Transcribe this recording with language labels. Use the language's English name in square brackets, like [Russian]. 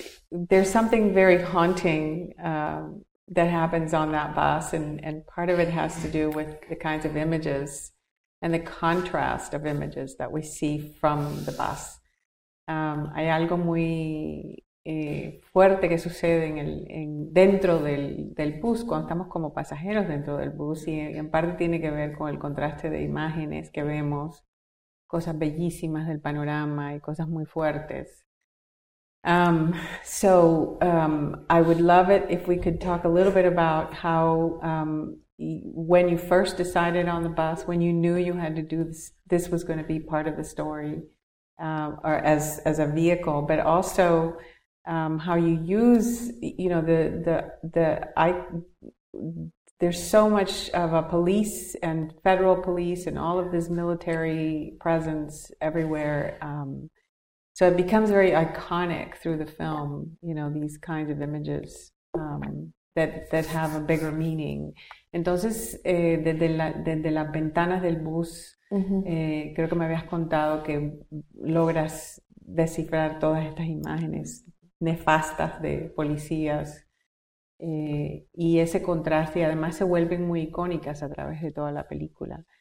[English] There's something very haunting that happens on that bus, and part of it has to do with the kinds of images and the contrast of images that we see from the bus. [Spanish] Hay algo muy fuerte que sucede dentro del bus, cuando estamos como pasajeros dentro del bus, y en parte tiene que ver con el contraste de imágenes que vemos, cosas bellísimas del panorama y cosas muy fuertes. [English] I would love it if we could talk a little bit about how, when you first decided on the bus, when you knew you had to do this, this was going to be part of the story, or as a vehicle, but also how you use, you know, there's so much of a police and federal police and all of this military presence everywhere. So it becomes very iconic through the film, you know, these kinds of images that have a bigger meaning. [Spanish] Entonces, desde las ventanas del bus, creo que me habías contado que logras descifrar todas estas imágenes nefastas de policías. Y ese contraste, y además se vuelven muy icónicas a través de toda la película.